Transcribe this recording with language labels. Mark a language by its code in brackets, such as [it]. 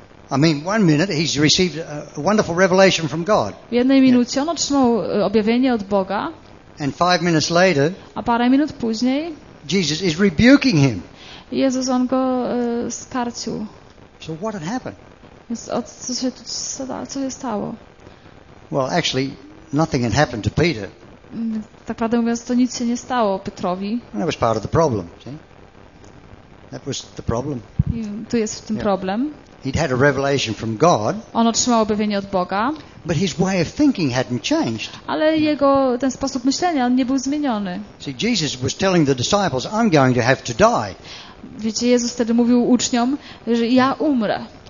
[en] I mean, one minute he's received a wonderful revelation from God. [pl] W jednej minucie on otrzymał objawienie od Boga. [en] And 5 minutes later, [pl] a parę minut później, [en] Jesus is rebuking him. [pl] Jezus on go skarcił. [en] So what had happened? [pl] Więc co się stało? [en] Well, actually, nothing had happened to Peter. [pl] Tak prawdę mówiąc, to nic się nie stało Piotrowi. [en] And that was part of the problem. See? That was the problem. [pl] I tu jest w tym problem. [en] He'd had a revelation from God. [pl] On otrzymał objawienie od Boga. [en] But his way of thinking hadn't changed. [pl] Ale jego ten sposób myślenia nie był zmieniony. [en] See, Jesus was telling the disciples, I'm going to have to die. [pl] Wiecie, Jezus wtedy mówił uczniom, że ja umrę.